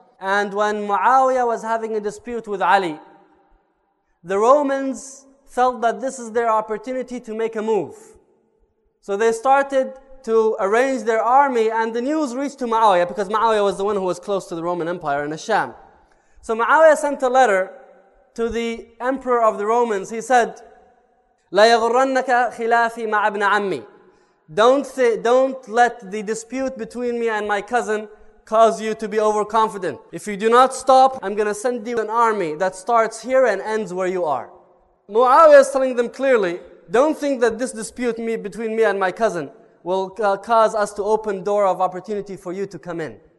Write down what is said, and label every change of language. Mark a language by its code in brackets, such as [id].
[en] And when Muawiyah was having a dispute with Ali, the Romans felt that this is their opportunity to make a move. So they started to arrange their army, and the news reached to Muawiyah, because Muawiyah was the one who was close to the Roman Empire in Hisham. So Muawiyah sent a letter to the emperor of the Romans. He said, [ar] لَيَغُرَّنَّكَ خِلَافِي مَعَ ابْنَ عَمِّي. [en] Don't let the dispute between me and my cousin cause you to be overconfident. If you do not stop, I'm going to send you an army that starts here and ends where you are. Muawiyah is telling them clearly, don't think that this dispute between me and my cousin will cause us to open door of opportunity for you to come in.